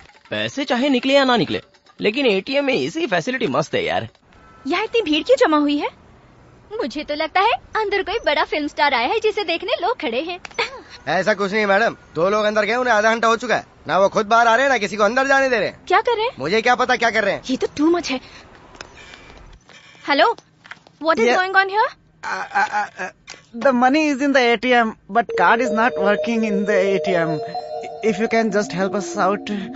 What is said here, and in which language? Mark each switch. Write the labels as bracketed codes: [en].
[hi] पैसे चाहे निकले या ना निकले, लेकिन ATM में इसी फैसिलिटी मस्त है यार। यहाँ इतनी भीड़ क्यों जमा हुई है? मुझे तो लगता है अंदर कोई बड़ा फिल्म स्टार आया है जिसे देखने लोग खड़े हैं। ऐसा कुछ नहीं मैडम, दो लोग अंदर गए, उन्हें आधा घंटा हो चुका है, ना वो खुद बाहर आ रहे हैं ना किसी को अंदर जाने दे रहे हैं। क्या कर रहे हैं? मुझे क्या पता क्या कर रहे हैं, ये तो [en] too much [hi] है। [en] Hello, what is going on here? The money is in the ATM but card is not working in the ATM, if you can just help us out.